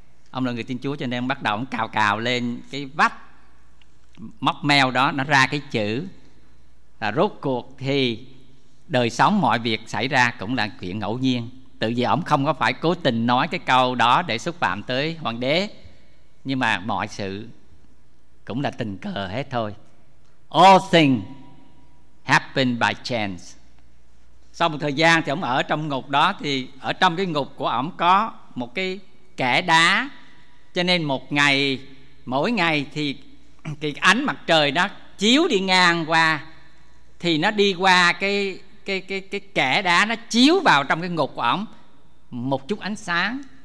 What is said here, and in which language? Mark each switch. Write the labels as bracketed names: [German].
[Vietnamese] Ông là người tin Chúa cho nên ông bắt đầu ông cào cào lên cái vách móc meo đó, nó ra cái chữ. Là rốt cuộc thì đời sống mọi việc xảy ra cũng là chuyện ngẫu nhiên. Tự vì ông không có phải cố tình nói cái câu đó để xúc phạm tới hoàng đế, nhưng mà mọi sự cũng là tình cờ hết thôi. [English] All things happen by chance. [Vietnamese] Sau một thời gian thì ông ở trong ngục đó, thì ở trong cái ngục của ông có một cái kẻ đá, cho nên một ngày, mỗi ngày thì cái ánh mặt trời đó chiếu đi ngang qua, thì nó đi qua cái kẻ đá, nó chiếu vào trong cái ngục của ông một chút ánh sáng.